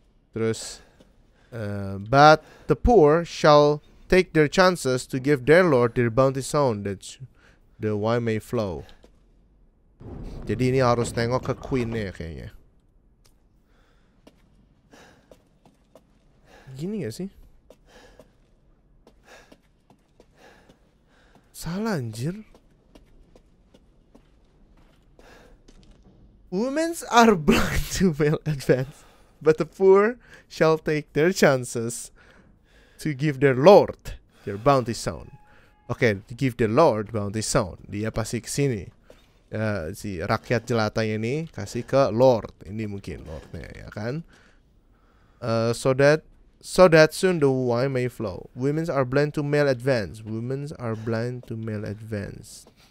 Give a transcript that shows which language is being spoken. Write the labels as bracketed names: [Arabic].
[English] Terus but the poor shall take their chances to give their lord their bounty sown, that the wine may flow. [Indonesian] Jadi ini harus tengok ke queen-nya kayaknya. Gini gak sih? Salah anjir. [English] Women are blind to male advance, but the poor shall take their chances to give their lord their bounty sound. Okay, to give their lord bounty sound. [Indonesian] Dia pasti kesini. Si rakyat jelata ini kasih ke lord. Ini mungkin lordnya, ya kan? [English] So that soon the wine may flow. Women are blind to male advance. Women are blind to male advance.